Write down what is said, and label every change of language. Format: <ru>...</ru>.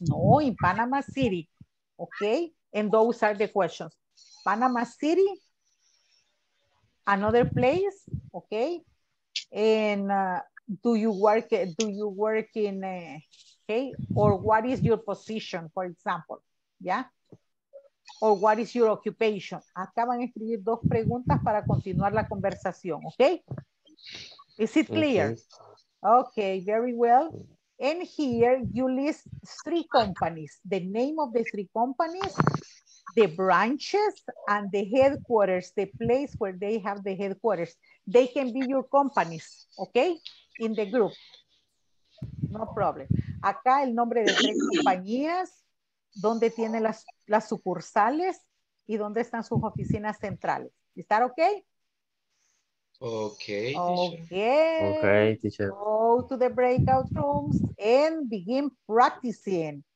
<en>No, in Panama City. Okay, and those are the questions. Panama City, another place, okay? And do you work in... okay, or what is your position, for example, yeah? Or what is your occupation?</en> <es>Acá van a escribir 2 preguntas para continuar la conversación, okay?</es> <en>Is it clear? Okay, very well. And here you list 3 companies, the name of the 3 companies, the branches, and the headquarters, the place where they have the headquarters. They can be your companies, okay, in the group. No problem.</en> <es>Acá el nombre de 3 compañías, dónde tiene las sucursales y dónde están sus oficinas centrales. ¿Está ok?</es> <en>Okay. Okay. Okay, teacher. Go to the breakout rooms and begin practicing.</en>